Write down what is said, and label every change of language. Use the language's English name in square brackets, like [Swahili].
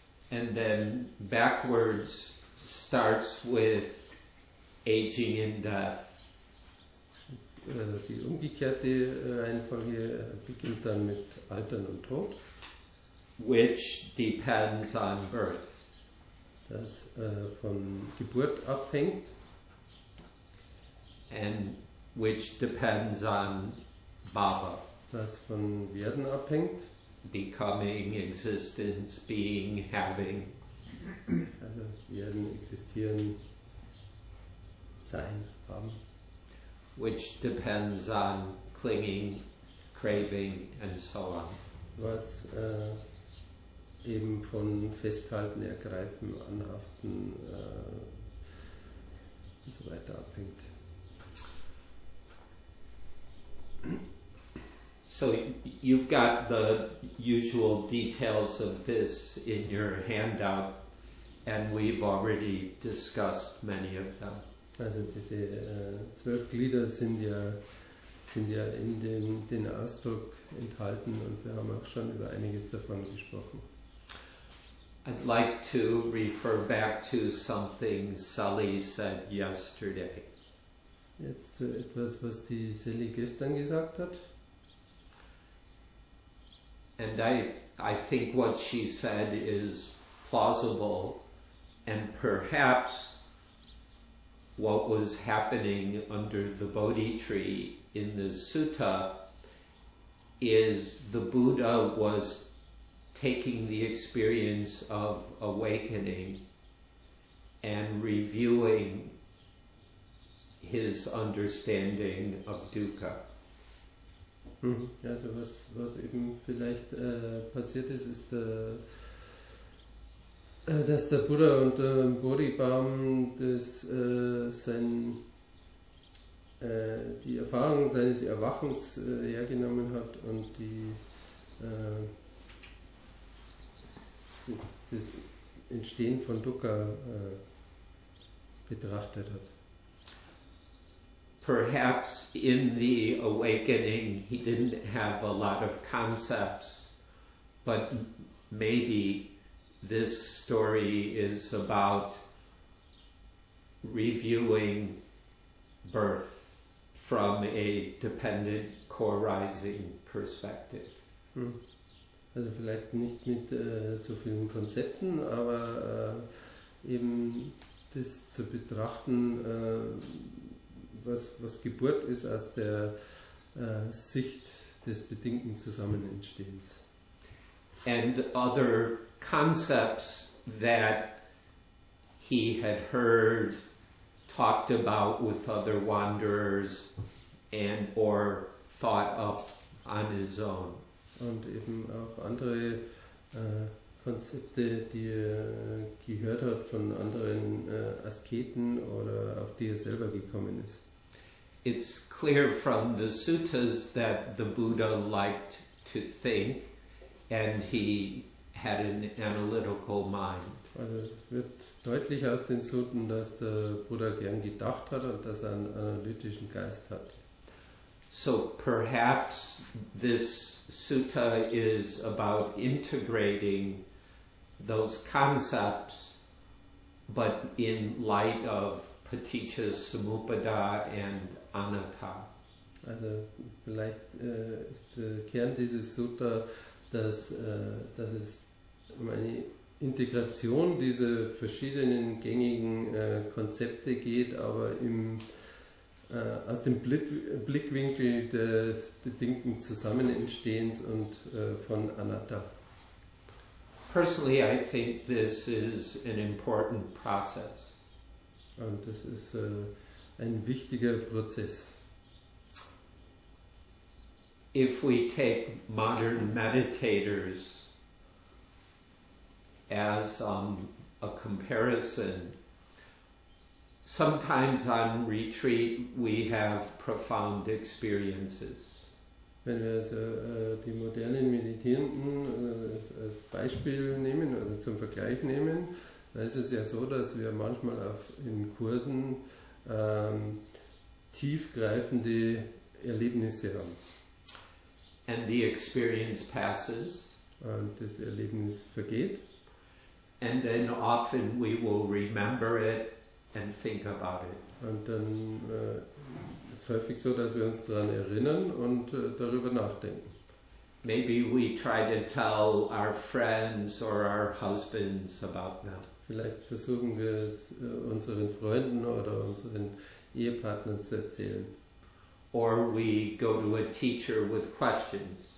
[English] And then backwards starts with aging and death. [German] Die umgekehrte Reihenfolge beginnt dann mit Altern und Tod. [English] Which depends on birth. [German] Das von Geburt abhängt. [English] And which depends on Baba. [German] Das von Werden abhängt. [English] Becoming, existence, being, having. [German] Also Werden, existieren, sein, haben. [English] Which depends on clinging, craving and so on. [German] Was eben von Festhalten, Ergreifen, Anhaften und so weiter abhängt. [English] So you've got the usual details of this in your handout and we've already discussed many of them. [German] Also diese 12 Glieder sind ja in den Ausdruck enthalten und wir haben auch schon über einiges davon gesprochen. [English] I'd like to refer back to something Sally said yesterday. [German] Jetzt zu etwas, was die Sally gestern gesagt hat. [English] And I think what she said is plausible, and perhaps what was happening under the Bodhi tree in the sutta is the Buddha was taking the experience of awakening and reviewing his understanding of dukkha. [German] Also was eben vielleicht passiert ist dass der Buddha unter dem Bodhi-Baum die Erfahrung seines Erwachens hergenommen hat und die das Entstehen von Dukkha betrachtet hat. [English] Perhaps in the awakening he didn't have a lot of concepts, but maybe this story is about reviewing birth from a dependent core rising perspective. [German] Also vielleicht nicht mit so vielen Konzepten, aber eben das zu betrachten, was Geburt ist aus der Sicht des bedingten Zusammenentstehens. [English] And other concepts that he had heard, talked about with other wanderers and or thought up on his own. [German] Und eben auch andere Konzepte, die er gehört hat von anderen Asketen oder auf die er selber gekommen ist. [English] it's clear from the suttas that the Buddha liked to think and he had an analytical mind. [German] Also es wird deutlich aus den Sutten, dass der Buddha gern gedacht hat und dass er einen analytischen Geist hat. [English] So perhaps this sutta is about integrating those concepts, but in light of paticca samuppada and anatta. [German] Also vielleicht ist der Kern dieses Sutta, dass das ist meine Integration dieser verschiedenen gängigen Konzepte geht, aber im aus dem Blickwinkel des bedingten Zusammenentstehens und von Anatta. [English] Personally, I think this is an important process. [German] Und das ist ein wichtiger Prozess. [English] If we take modern meditators as a comparison, sometimes on retreat we have profound experiences. [German] Wenn wir also die modernen Meditierenden als Beispiel nehmen oder zum Vergleich nehmen, dann ist es ja so, dass wir manchmal in Kursen tiefgreifende Erlebnisse haben. [English] And the experience passes. [German] Und das Erlebnis vergeht. [English] And then often we will remember it and think about it. [German] Und dann ist häufig so, dass wir uns daran erinnern und darüber nachdenken. [English] Maybe we try to tell our friends or our husbands about them. [German] Vielleicht versuchen wir es unseren Freunden oder unseren Ehepartnern zu erzählen. [English] Or we go to a teacher with questions.